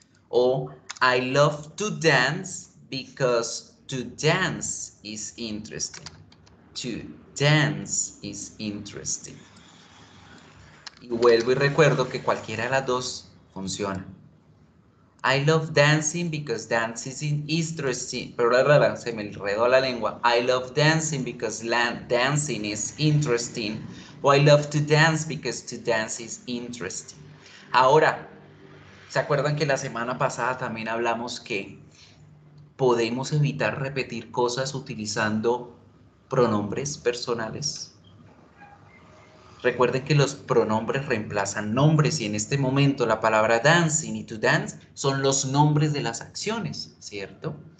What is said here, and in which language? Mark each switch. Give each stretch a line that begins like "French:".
English: O, I love to dance, because to dance is interesting. To dance is interesting.
Spanish: Y vuelvo y recuerdo que cualquiera de las dos funciona.
English: I love dancing because dancing is interesting.
Spanish: Pero se me enredó la lengua.
English: I love dancing because dancing is interesting. O I love to dance because to dance is interesting.
Spanish: Ahora, ¿se acuerdan que la semana pasada también hablamos que podemos evitar repetir cosas utilizando pronombres personales? Recuerden que los pronombres reemplazan nombres y en este momento la palabra dancing y to dance son los nombres de las acciones, ¿cierto?